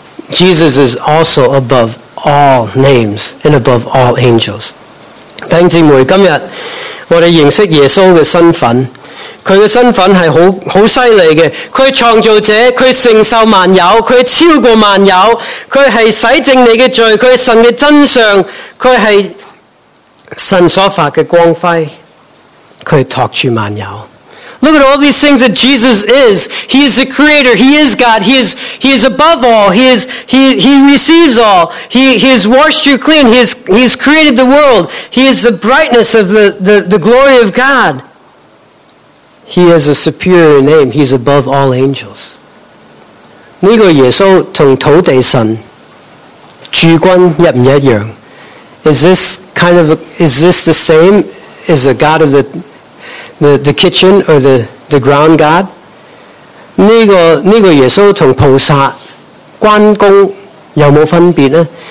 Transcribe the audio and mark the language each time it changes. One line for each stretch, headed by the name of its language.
English: Jesus is also above all names and above all angels.
Chinese: 弟兄姊妹，今天我们认识耶稣的身份，他的身份是 很犀利的。他是创造者，他是承受万有，他是超过万有，他是洗净你的罪，他是神的真相，他是神所发的光辉，他是托住万有。
English: Look at all these things that Jesus is. He is the creator. He is God. He is above all. He receives all. He has washed you clean. He has created the world. He is the brightness of the glory of God. He has a superior name. He is above all angels.
Chinese: 这个耶稣同土地神主君一不一样？
English: Is this the same as the God of the kitchen or the ground God?
Chinese: 这个耶稣同菩萨关公有没有分别呢？